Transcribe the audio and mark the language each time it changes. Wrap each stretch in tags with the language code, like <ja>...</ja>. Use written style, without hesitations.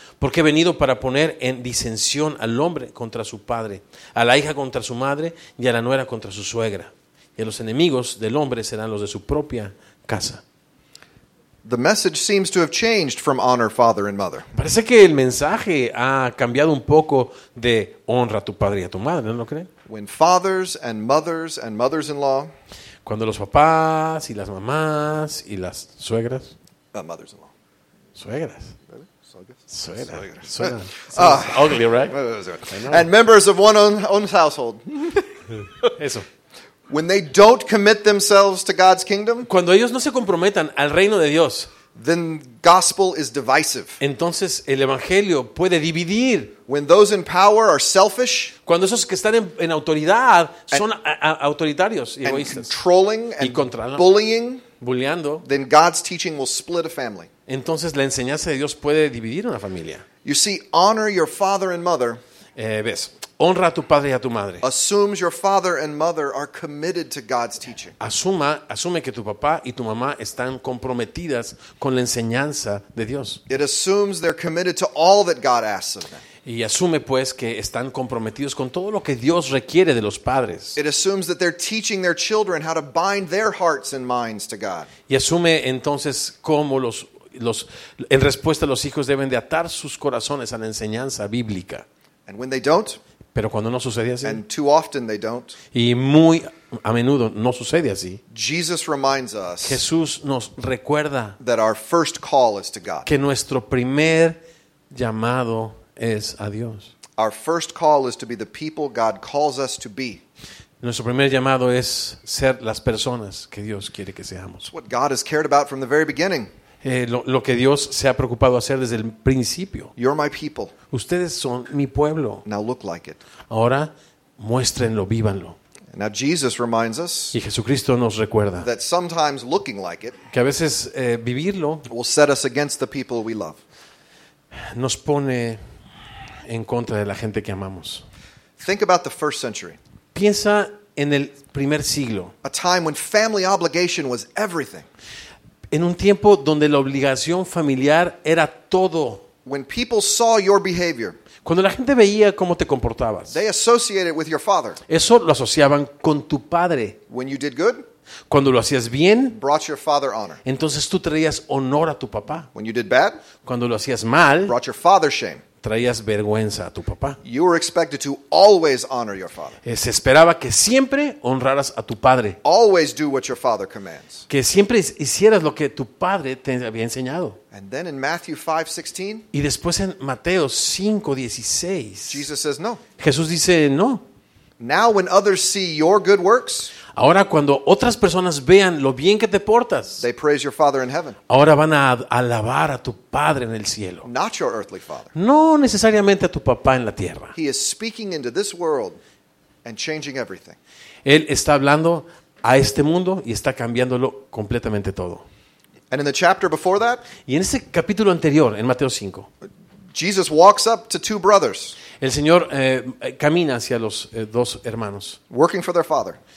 <es>Porque he venido para poner en disensión al hombre contra su padre, a la hija contra su madre, y a la nuera contra su suegra. Y a los enemigos del hombre serán los de su propia casa.</es> <en>The message seems to have changed from honor father and mother.</en> <es>Parece que el mensaje ha cambiado un poco de honra a tu padre y a tu madre, ¿no lo creen?</es> <en>When fathers and mothers and mothers-in-law.</en> <es>Cuando los papás y las mamás y las suegras.</es> <en>Mothers-in-law.</en> <es>Suegras. Suegras.</es> <en>Ugly, right? And members of one own household.</en> <es>Eso.</es> <en>When they don't commit themselves to God's kingdom,</en> <es>cuando ellos no se comprometan al reino de Dios,</es> <en>then gospel is divisive.</en> <es>Entonces el evangelio puede dividir.</es> <en>When those in power are selfish,</en> <es>cuando esos que están en autoridad son autoritarios y egoístas,</es> <en>and controlling and bullying,</en> <es>bulleando,</es> <en>then God's teaching will split a family.</en> <es>Entonces la enseñanza de Dios puede dividir una familia.</es> <en>You see, honor your father and mother.</en> <es>Ves. Honra a tu padre y a tu madre.</es> <en>Assumes your father and mother are committed to God's teaching.</en> <es>Asume que tu papá y tu mamá están comprometidas con la enseñanza de Dios.</es> <en>It assumes they're committed to all that God asks of them.</en> <es>Y asume pues que están comprometidos con todo lo que Dios requiere de los padres.</es> <en>It assumes that they're teaching their children how to bind their hearts and minds to God.</en> <es>Y asume entonces cómo los en respuesta los hijos deben de atar sus corazones a la enseñanza bíblica.</es> <en>And when they don't,</en> <es>pero cuando no sucede así,</es> <en>and too often they don't,</en> <es>y muy a menudo no sucede así,</es> <en>Jesus reminds us,</en> <es>Jesús nos recuerda,</es> <en>that our first call is to God,</en> <es>que nuestro primer llamado es a Dios.</es> <en>Our first call is to be the people God calls us to be.</en> <es>Nuestro primer llamado es ser las personas que Dios quiere que seamos.</es> <en>What God has cared about from the very beginning.</en> <es>Lo que Dios se ha preocupado hacer desde el principio.</es> <en>You're my people.</en> <es>Ustedes son mi pueblo.</es> <en>Now look like it.</en> <es>Ahora muéstrenlo, vívanlo.</es> <en>Now Jesus reminds us.</en> <es>Y Jesucristo nos recuerda.</es> <en>That sometimes looking like it.</en> <es>Que a veces vivirlo.</es> <en>Will set us against the people we love.</en> <es>Nos pone en contra de la gente que amamos.</es> <en>Think about the first century.</en> <es>Piensa en el primer siglo.</es> <en>A time when family obligation was everything.</en> <es>En un tiempo donde la obligación familiar era todo.</es> <en>When people saw your behavior.</en> <es>Cuando la gente veía cómo te comportabas.</es> <en>They associated with your father.</en> <es>Eso lo asociaban con tu padre.</es> <en>When you did good.</en> <es>Cuando lo hacías bien,</es> <en>brought your father honor.</en> <es>Entonces tú traías honor a tu papá.</es> <en>When you did bad.</en> <es>Cuando lo hacías mal,</es> <en>brought your father shame.</en> <es>Traías vergüenza a tu papá.</es> <en>You were expected to always honor your father.</en> <es>Se esperaba que siempre honraras a tu padre.</es> <en>Always do what your father commands.</en> <es>Que siempre hicieras lo que tu padre te había enseñado.</es> <en>And then in Matthew 5:16.</en> <es>Y después en Mateo 5:16.</es> <en>Jesus says no.</en> <es>Jesús dice no.</es> <en>Now when others see your good works.</en> <es>Ahora cuando otras personas vean lo bien que te portas.</es> <en>They praise your father in heaven.</en> <es>Ahora van a alabar a tu padre en el cielo.</es> <en>Not your earthly father.</en> <es>No necesariamente a tu papá en la tierra.</es> <en>He is speaking into this world and changing everything.</en> <es>Él está hablando a este mundo y está cambiándolo completamente todo.</es> <en>And in the chapter before that.</en> <es>Y en ese capítulo anterior en Mateo 5.</es> <en>Jesus walks up to two brothers.</en> <es>El Señor camina hacia los dos hermanos.</es> <en>Working for their father.</en>